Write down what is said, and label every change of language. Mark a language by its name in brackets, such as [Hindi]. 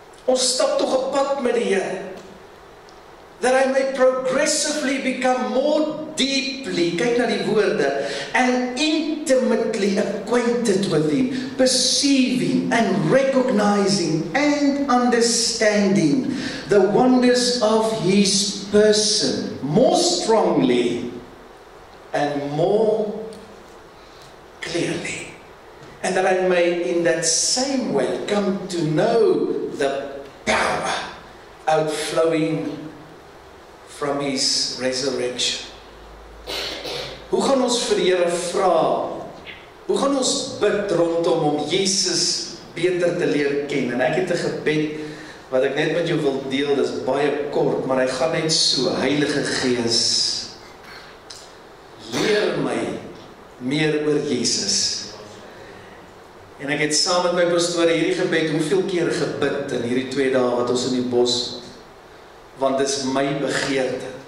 [Afrikaans] ons stap toch een pad met die Heer, [English] that I may progressively become more deeply, [Afrikaans] kyk na die woorde, [English] and intimately acquainted with Him, perceiving and recognizing and understanding the wonders of His person more strongly and more clearly, and that I may in that same way come to know the power outflowing from His resurrection. [Afrikaans] Hoe gaan ons vir die Here vra? Hoe gaan ons bid rondom om Jesus beter te leer ken? En ek het 'n gebed wat ek net met jou wil deel, dis baie kort, maar hy gaan net so, Heilige Gees, leer my meer oor Jesus. En ek het saam met my pastoor hierdie gebed hoeveel keer gebid in hierdie 2 dae wat ons in die bos, want dis my begeerte.